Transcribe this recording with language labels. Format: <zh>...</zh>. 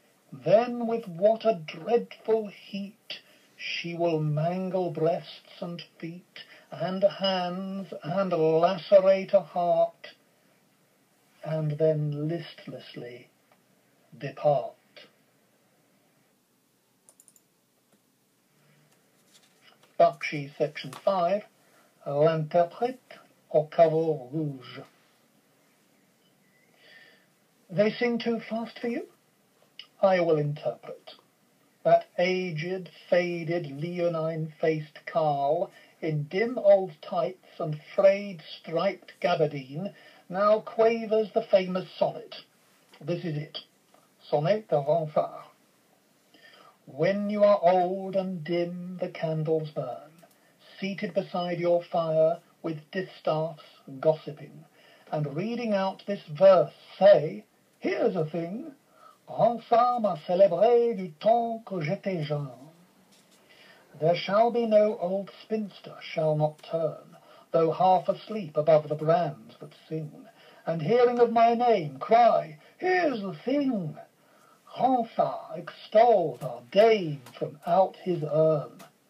<en>Then with what a dreadful heat she will mangle breasts and feet, and hands, and lacerate a heart, and then listlessly depart. Buckshee, section 5,</en> <fr>L'interprète au caveau rouge.</fr> <en>They sing too fast for you? I will interpret. That aged, faded, leonine-faced carl, in dim old tights and frayed, striped gabardine, now quavers the famous sonnet. This is it. Sonnet de Renfort. When you are old and dim, the candles burn, seated beside your fire with distaffs gossiping, and reading out this verse, say, here's a thing.</en> <fr>Renfort m'a célébré du temps que j'étais jeune.</fr> <en>There shall be no old spinster shall not turn, though half asleep above the brands that sing, and hearing of my name, cry, here's the thing. Renfort extols our dame from out his urn.</en>